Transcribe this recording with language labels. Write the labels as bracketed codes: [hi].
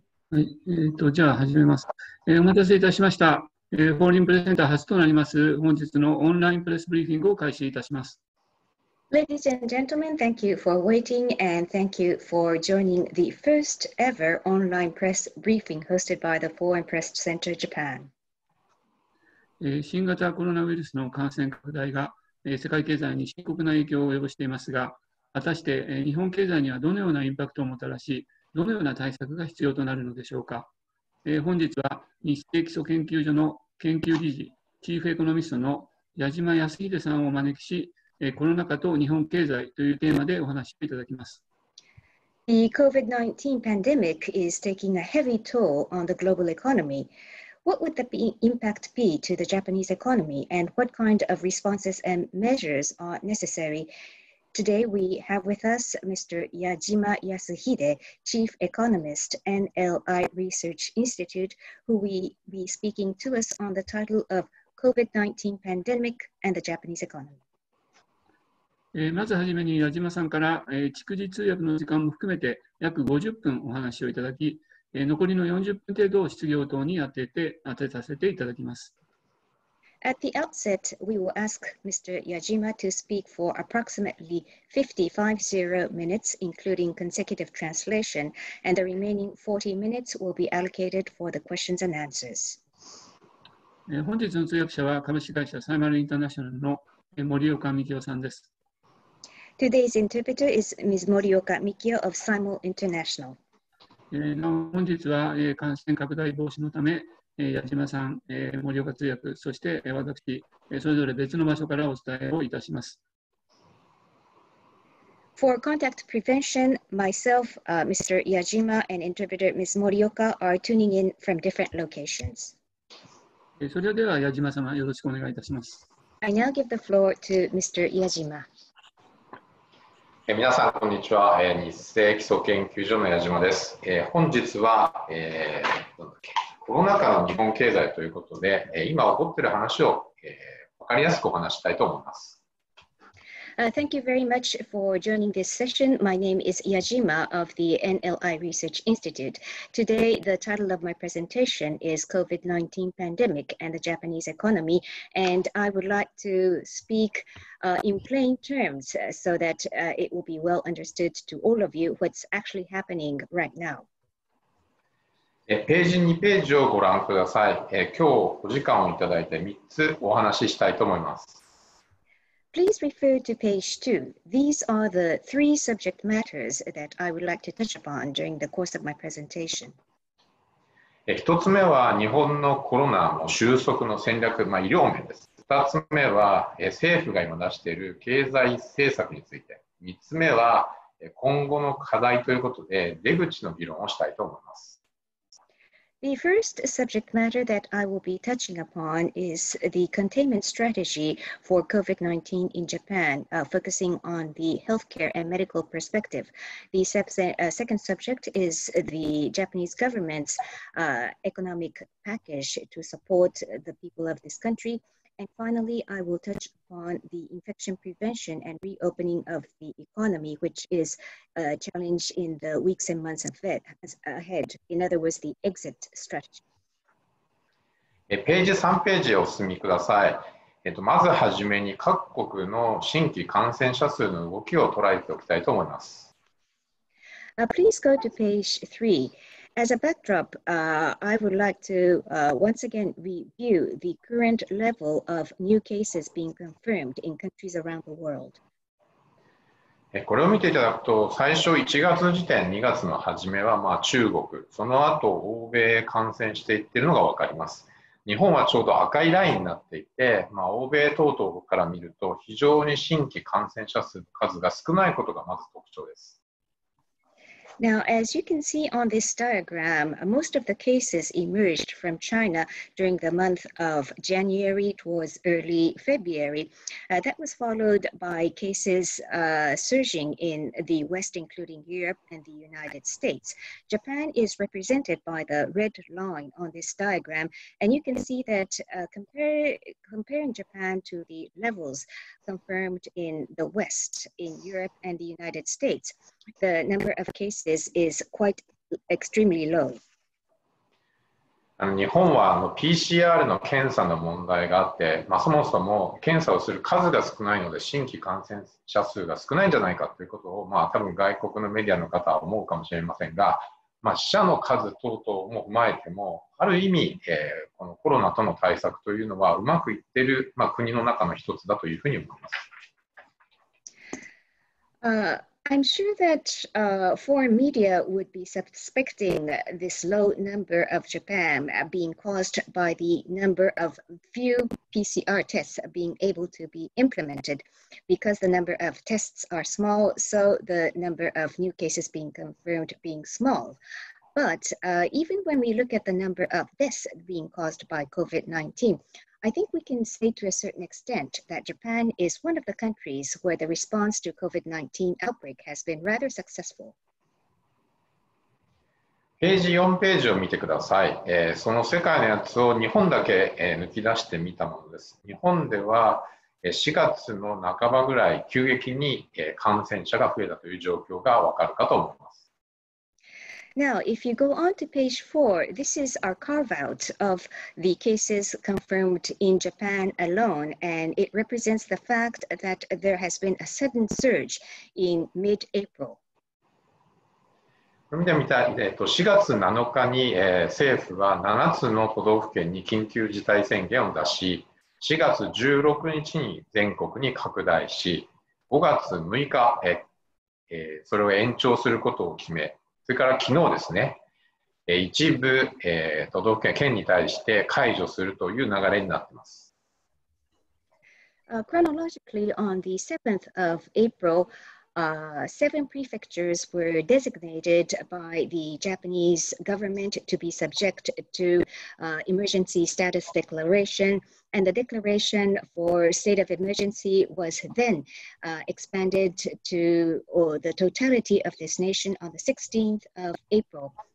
[ja] はい、じゃあ始めます、お待たせいたしました、フォーリンプレゼンター初となります本日のオンラインプレスブリーフィングを開始いたします。 [en] Ladies and gentlemen, thank you for waiting and thank you for joining the first ever online press briefing hosted by the Foreign Press Center Japan. [ja] 新型コロナウイルスの感染拡大が、世界経済に深刻な影響を及ぼしていますが、果たして、日本経済にはどのようなインパクトをもたらし、どのような対策が必要となるのでしょうか。本日は、ニッセイ基礎研究所の研究理事、チーフエコノミストの矢嶋康次さんをお招きし、コロナ禍と日本経済というテーマでお話しいただきます。 [en] The COVID-19 pandemic is taking a heavy toll on the global economy. What would the impact be to the Japanese economy and what kind of responses and measures are necessary? Today we have with us Mr. Yajima Yasuhide, Chief Economist, NLI Research Institute, who will be speaking to us on the title of COVID-19 Pandemic and the Japanese Economy. [ja] まずはじめに矢島さんから、逐次通訳の時間も含めて約50分お話をいただき、残りの40分程度を質疑応答に当てさせていただきます。 [en] At the outset, we will ask Mr. Yajima to speak for approximately 55 minutes, including consecutive translation, and the remaining 40 minutes will be allocated for the questions and answers. [ja] 本日の通訳者は株式会社サイマルインターナショナルの森岡美希夫さんです。 [en] Today's interpreter is Ms. 森岡美希夫 of Simul International. [ja] 本日は感染拡大防止のため、矢島さん、森岡通訳、そして私、それぞれ別の場所からお伝えをいたします。 [en] For contact prevention, myself, Mr. Yajima and interpreter Ms. Morioka are tuning in from different locations. [ja] それでは矢島様、よろしくお願いいたします。 [en] I now give the floor to Mr. Yajima. [ja] 皆さん、こんにちは。ニッセイ基礎研究所の矢島です。本日は、コロナ禍の日本経済ということで、今起こっている話を、分かりやすくお話したいと思います。 [en] Thank you very much for joining this session. My name is Yajima of the NLI Research Institute. Today, the title of my presentation is COVID-19 Pandemic and the Japanese Economy, and I would like to speak in plain terms so that it will be well understood to all of you what's actually happening right now. [ja] ページ2ページをご覧ください。今日お時間をいただいて3つお話ししたいと思います。 [en] Please refer to page 2. These are the three subject matters that I would like to touch upon during the course of my presentation. [ja] 1つ目は日本のコロナの収束の戦略、医療面です。 2つ目は政府が今出している経済政策について。 3つ目は今後の課題ということで出口の議論をしたいと思います。 [en] The first subject matter that I will be touching upon is the containment strategy for COVID-19 in Japan, focusing on the healthcare and medical perspective. The second subject is the Japanese government's economic package to support the people of this country. And finally, I will touch upon the infection prevention and reopening of the economy, which is a challenge in the weeks and months ahead. In other words, the exit strategy. [ja] ページ3ページをお進みください。まずはじめに各国の新規感染者数の動きを捉えておきたいと思います。 [en] Please go to page 3. As a backdrop, I would like to once again review the current level of new cases being confirmed in countries around the world. [ja] これを見ていただくと、最初1月時点、2月の初めは中国、その後欧米感染していっているのが分かります。日本はちょうど赤いラインになっていて、欧米等々から見ると非常に新規感染者数の数が少ないことがまず特徴です。 [en] Now, as you can see on this diagram, most of the cases emerged from China during the month of January towards early February. That was followed by cases surging in the West, including Europe and the United States. Japan is represented by the red line on this diagram, and you can see that comparing Japan to the levels confirmed in the West, in Europe and the United States, the number of cases is quite extremely low. [ja] 日本は PCR の検査の問題があって、まあ、そもそも検査をする数が少ないので新規感染者数が少ないんじゃないかということを、まあ、多分外国のメディアの方は思うかもしれませんが、まあ、死者の数等々も踏まえてもある意味、このコロナとの対策というのはうまくいっている、まあ、国の中の一つだというふうに思います。 [en] I'm sure that foreign media would be suspecting this low number of Japan being caused by the number of few PCR tests being able to be implemented. Because the number of tests are small, so the number of new cases being confirmed being small. But even when we look at the number of deaths being caused by COVID-19,I think we can say to a certain extent that Japan is one of the countries where the response to COVID-19 outbreak has been rather successful. [ja] ページ4ページを見てください。その世界のやつを日本だけ抜き出してみたものです。日本では4月の半ばぐらい急激に感染者が増えたという状況がわかるかと思います。 [en] Now, if you go on to page 4, this is our carve-out of the cases confirmed in Japan alone, and it represents the fact that there has been a sudden surge in mid-April. [ja] 見てみたい、4月7日に、政府は7つの都道府県に緊急事態宣言を出し、4月16日に全国に拡大し、5月6日、それを延長することを決め、それから昨日ですね、一部、都道府県、県に対して解除するという流れになっています。 [en] Chronologically, on the 7th of April, seven prefectures were designated by the Japanese government to be subject to emergency status declaration, and the declaration for state of emergency was then expanded to the totality of this nation on the 16th of April.